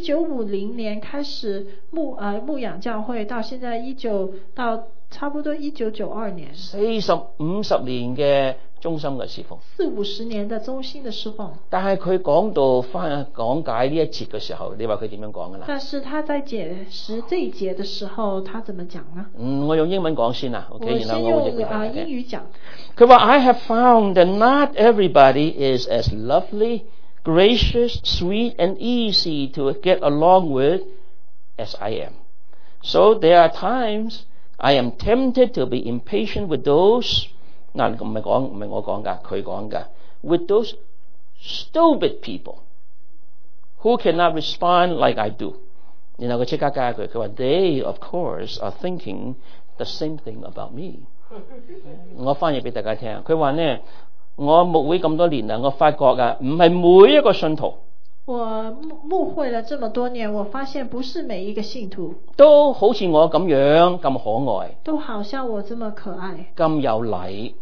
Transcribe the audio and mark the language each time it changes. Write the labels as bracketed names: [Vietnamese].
[Chinese] 1950年开始 牧养教会，到现在到差不多1992年， 50年的中心的侍奉，四五十年的中心的侍奉。但是他讲到翻讲解这一节的时候，你说他怎样讲的？但是他在解释这一节的时候他怎么讲呢？我用英文讲先啦， okay，我先用英语讲。他说 [English] I have found that not everybody is as lovely, gracious, sweet and easy to get along with as I am. So there are times I am tempted to be impatient with those with those stupid people who cannot respond like I do. [Chinese] 然后他立刻加一句，他说 [English] They of course are thinking the same thing about me. [Chinese] 我翻译给大家听，他说呢，我牧会这么多年了，我发觉不是每一个信徒，我牧会了这么多年，我发现不是每一个信徒都好像我这样这么可爱，都好像我这么可爱，这么有礼，